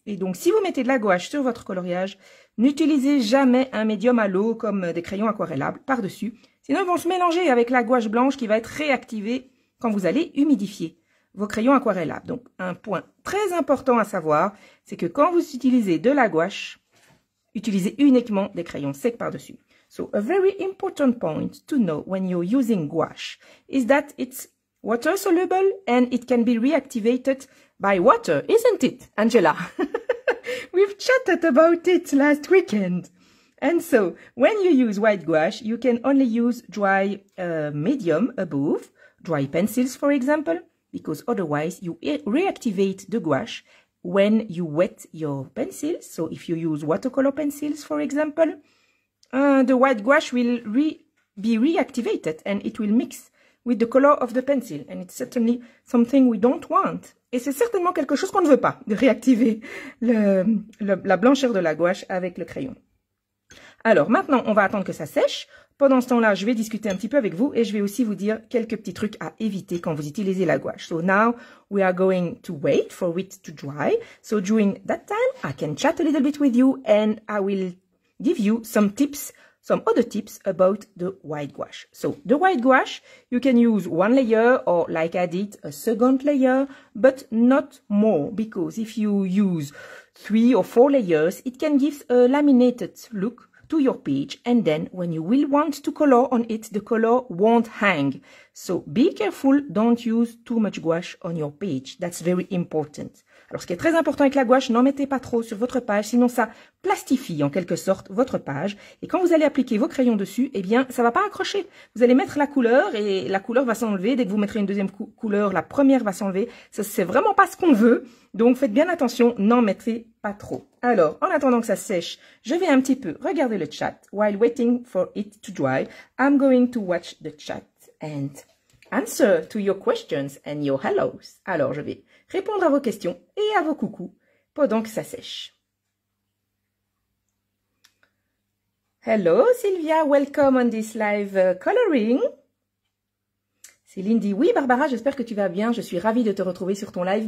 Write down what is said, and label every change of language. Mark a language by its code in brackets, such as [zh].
[fr] Et donc, si vous mettez de la gouache sur votre coloriage, n'utilisez jamais un médium à l'eau comme des crayons aquarellables par-dessus. Sinon, ils vont se mélanger avec la gouache blanche qui va être réactivée quand vous allez humidifier vos crayons aquarellables. Donc, un point très important à savoir, c'est que quand vous utilisez de la gouache, utilisez uniquement des crayons secs par-dessus. [en] So, a very important point to know when you're using gouache is that it's water soluble and it can be reactivated by water, isn't it, Angela? We've chatted about it last weekend. And so, when you use white gouache, you can only use dry medium above, dry pencils for example, because otherwise you reactivate the gouache when you wet your pencils. So if you use watercolor pencils for example, the white gouache will be reactivated and it will mix with the color of the pencil. And it's certainly something we don't want. [fr] Et c'est certainement quelque chose qu'on ne veut pas, de réactiver la blancheur de la gouache avec le crayon. Alors maintenant, on va attendre que ça sèche. Pendant ce temps-là, je vais discuter un petit peu avec vous et je vais aussi vous dire quelques petits trucs à éviter quand vous utilisez la gouache. [en] So now, we are going to wait for it to dry. So during that time, I can chat a little bit with you and I will give you some tips, some other tips about the white gouache. So the white gouache, you can use one layer or like I did, a second layer, but not more because if you use three or four layers, it can give a laminated look to your page, and then when you will want to color on it, the color won't hang. So be careful, don't use too much gouache on your page. That's very important. [fr] Alors ce qui est très important avec la gouache, n'en mettez pas trop sur votre page, sinon ça plastifie en quelque sorte votre page. Et quand vous allez appliquer vos crayons dessus, eh bien ça va pas accrocher. Vous allez mettre la couleur et la couleur va s'enlever. Dès que vous mettrez une deuxième couleur, la première va s'enlever. Ça, c'est vraiment pas ce qu'on veut. Donc faites bien attention, n'en mettez pas trop. Alors, en attendant que ça sèche, je vais un petit peu regarder le chat. [en] While waiting for it to dry, I'm going to watch the chat and answer to your questions and your hellos. [fr] Alors, je vais répondre à vos questions et à vos coucous pendant que ça sèche. [en] Hello, Sylvia. Welcome on this live coloring. [fr] Céline dit, oui, Barbara, j'espère que tu vas bien. Je suis ravie de te retrouver sur ton live.